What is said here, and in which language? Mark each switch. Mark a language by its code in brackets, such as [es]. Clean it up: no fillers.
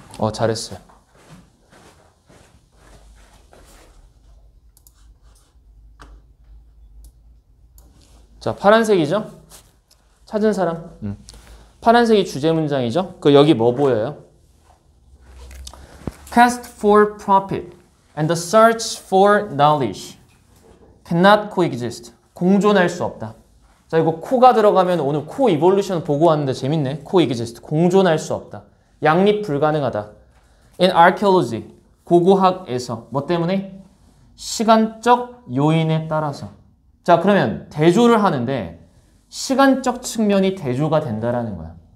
[ko] 잘했어요. 자, 파란색이죠? 찾은 사람. 파란색이 주제 문장이죠? 그 여기 뭐 보여요? [en] Quest for profit and the search for knowledge cannot coexist. [ko] 공존할 수 없다. 자, 이거 코가 들어가면 오늘 코 이볼루션 보고 왔는데 재밌네. Coexist. 공존할 수 없다. 양립 불가능하다. [en] In archaeology, [ko] 고고학에서. 뭐 때문에? 시간적 요인에 따라서. 자, 그러면 대조를 하는데 시간적 측면이 대조가 된다라는 거야.